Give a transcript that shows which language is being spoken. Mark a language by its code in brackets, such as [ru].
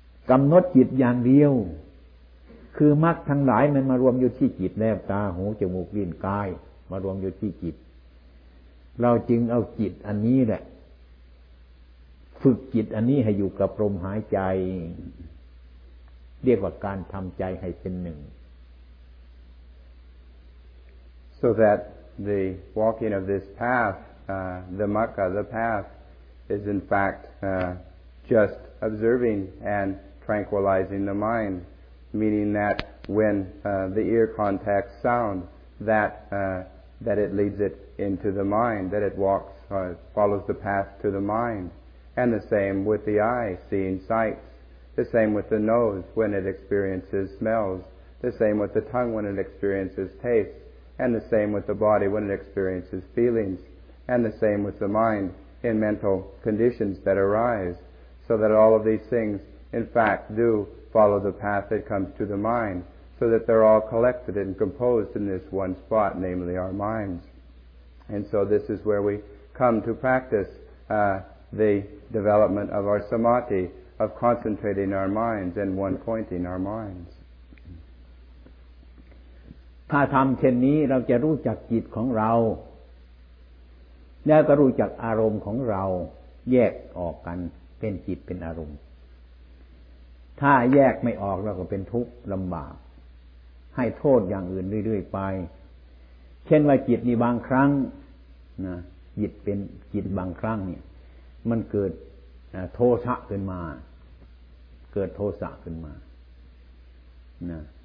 [th] กำหนดจิตอย่างเดียวคือมรรคทั้งหลายมันมารวมอยู่ที่จิตแล้วตาหูจมูกลิ้นกายมารวมอยู่ที่จิตเราจึงเอาจิตอันนี้แหละฝึกจิตอันนี้ให้อยู่กับลมหายใจเรียกว่าการทำใจให้เป็นหนึ่ง [en] so that the walking of this path the mukha the path is in fact just observing and tranquilizing the mind meaning that when the ear contacts sound that that it leads it into the mind that it walks follows the path to the mindAnd the same with the eye, seeing sights. The same with the nose, when it experiences smells. The same with the tongue, when it experiences tastes. And the same with the body, when it experiences feelings. And the same with the mind, in mental conditions that arise. So that all of these things, in fact, do follow the path that comes to the mind. So that they're all collected and composed in this one spot, namely our minds. And so this is where we come to practice, the development of our samadhi, of concentrating our minds and one-pointing our minds. [th] ถ้าทำเช่นนี้เราจะรู้จักจิตของเราแล้วก็รู้จักอารมณ์ของเราแยกออกกันเป็นจิตเป็นอารมณ์ถ้าแยกไม่ออกเราก็เป็นทุกข์ลำบากให้โทษอย่างอื่นเรื่อยๆไปเช่นว่าจิตนี่บางครั้งนะจิตเป็นจิตบางครั้งเนี่ยมันเกิดโทสะขึ้นมาเกิดโทสะขึ้นมานะ